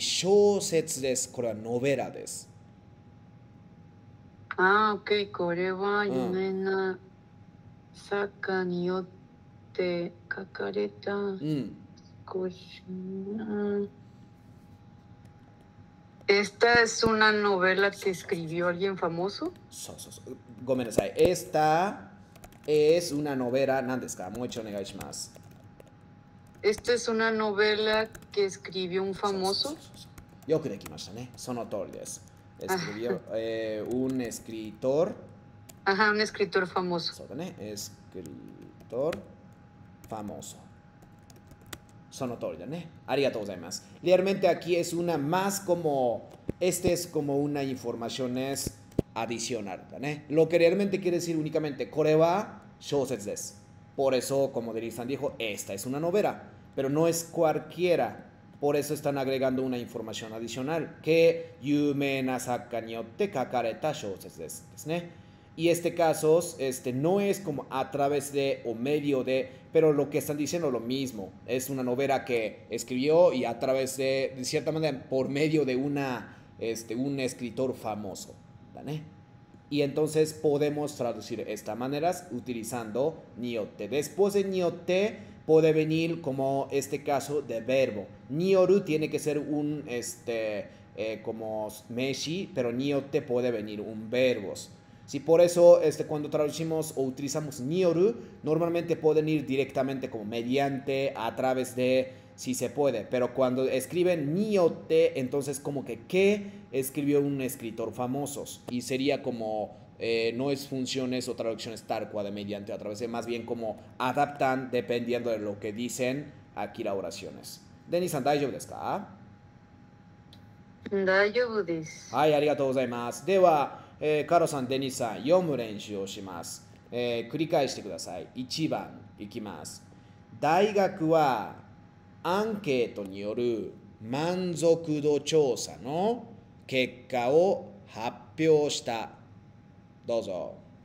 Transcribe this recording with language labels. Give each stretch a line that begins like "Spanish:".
Japanese: 小説です。これはノベラです。ああ、OK。これは有名な作家によって書かれた少しな。
Spanish: Esta es una novela que escribió alguien famoso?
Japanese: そうそうそう。ごめんなさい。
Spanish: Esta es una novela
Japanese: 何ですか？もう一度お願いします。
Spanish: Esta es una novela que escribió un famoso?
Japanese: よくできましたね。その通りです。
Spanish: Escribió un escritor. Ajá, un escritor famoso.
Japanese: そうだね。
Spanish: Escritor famoso.
Japanese: その通りだね。ありがとうございます。
Spanish: Realmente aquí es una más como. Este es como una información es adicional.
Japanese: だね。
Spanish: Lo que realmente quiere decir únicamente,
Japanese: これは小説です。
Spanish: Por eso, como Denise dijo, esta es una novela. Pero no es cualquiera. Por eso están agregando una información adicional que
Japanese: 有名な作家によって書かれた小説です。ですね。
Spanish: Y este caso este, no es como a través de o medio de, pero lo que están diciendo lo mismo. Es una novela que escribió y a través de cierta manera, por medio de una, este, un escritor famoso. ¿Vale? Y entonces podemos traducir esta manera utilizando niyotte. Después de niyotte,puede venir como este caso de verbo. Nioru tiene que ser un, este, como meshi, pero niyotte puede venir un verbo. Sí, por eso, este, cuando traducimos o utilizamos nioru, normalmente pueden ir directamente como mediante, a través de, si se puede. Pero cuando escriben niyotte, entonces como que, ¿qué escribió un escritor famoso? Y sería como... no es funciones o traducciones tal cual de mediante o a través de, más bien como adaptan dependiendo de lo que dicen aquí las oraciones.
Japanese: Denis, ¿dayobu desu ka? Dayobu desu. はい、ありがとうございます。では、カロさん、デニスさん、読む練習をします。繰り返してください。一番いきます。大学はアンケートによる満足度調査の結果を発表した。どうぞ。